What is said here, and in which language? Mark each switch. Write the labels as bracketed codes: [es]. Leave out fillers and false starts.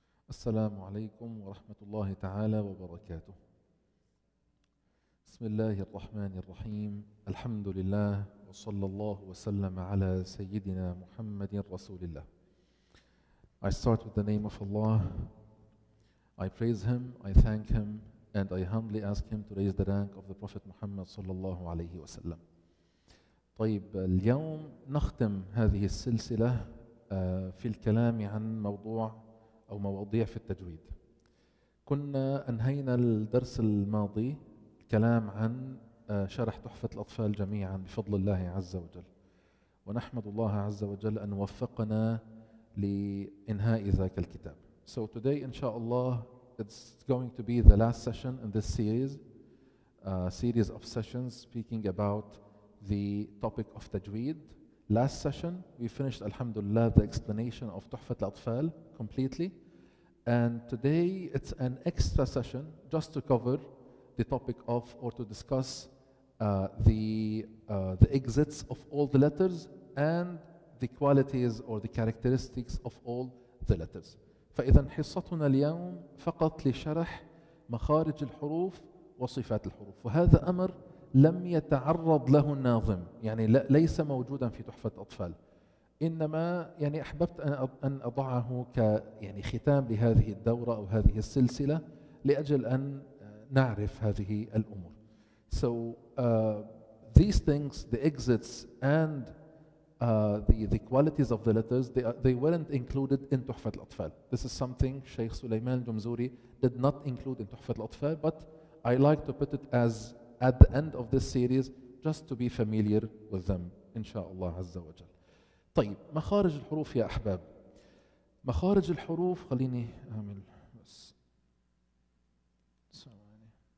[ar] السلام عليكم ورحمة الله تعالى وبركاته. بسم الله الرحمن الرحيم، الحمد لله وصلى الله وسلم على سيدنا محمد رسول الله. [en] I start with the name of Allah. I praise him, I thank him, and I humbly ask him to raise the rank of the Prophet Muhammad [ar] صلى الله عليه وسلم. طيب، اليوم نختم هذه السلسلة في الكلام عن موضوع أو مواضيع في التجويد. كنا أنهينا الدرس الماضي الكلام عن شرح تحفة الأطفال جميعا بفضل الله عز وجل، ونحمد الله عز وجل أن وفقنا لإنهاء ذاك الكتاب. [en] So today [ar] إن شاء الله [en] it's going to be the last session in this series, series of sessions speaking about the topic of تجويد. Last session we finished alhamdulillah the explanation of تحفة الأطفال completely. And today it's an extra session just to cover the topic of or to discuss the exits of all the letters and the qualities or the characteristics of all the letters. [ar] فإذا حصتنا اليوم فقط لشرح مخارج الحروف وصفات الحروف، وهذا أمر لم يتعرض له الناظم، يعني ليس موجودا في تحفة أطفال، إنما يعني أحببت أن أضعه كيعني ختام لهذه الدورة أو هذه السلسلة لأجل أن نعرف هذه الأمور. [en] So these things, the exits and the qualities of the letters, they weren't included in تحفة الأطفال. This is something شيخ سليمان الجمزوري did not include in تحفة الأطفال, but I like to put it as at the end of this series just to be familiar with them [ar] إن شاء الله عز وجل. طيب، مخارج الحروف يا أحباب، مخارج الحروف، خليني أعمل بس ثواني.